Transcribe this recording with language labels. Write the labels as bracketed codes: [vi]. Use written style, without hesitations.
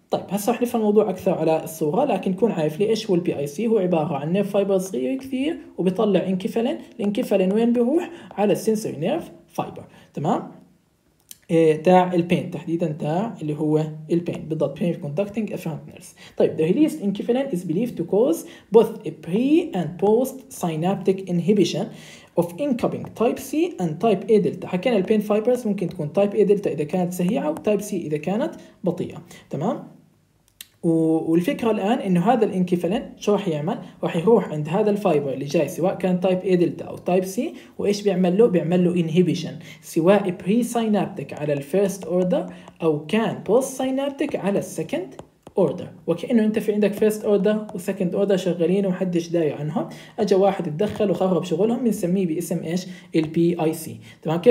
[ar] طيب هسه رح نفهم الموضوع اكثر على الصوره، لكن كون عارف لي ايش هو البي اي سي. هو عباره عن نير فايبر صغير كثير وبيطلع انكفالين، الانكفالين وين بيروح؟ على السنسوري نيرف فايبر تمام، تاع البين تحديدا، تاع اللي هو البين بالضبط، [en] pain conducting afferent nerves. طيب the released enkephalin is believed to cause both a pre and post synaptic inhibition of incoming type C and type A delta. [ar] حكينا البين fibers ممكن تكون type A delta إذا كانت سريعة، و type C إذا كانت بطيئة تمام. والفكرة الآن إنه هذا الانكفالين شو راح يعمل؟ راح يروح عند هذا الفايبر اللي جاي سواء كان تايب A دلتا أو تايب C، وإيش بيعمل له؟ بيعمل له inhibition سواء pre-synaptic على الـ first order أو كان post-synaptic على الـ second order، وكأنه أنت في عندك first order و second order شغالين ومحدش داري عنهم، أجا واحد اتدخل وخرب شغلهم، بنسميه باسم إيش؟ الـ PIC تمام.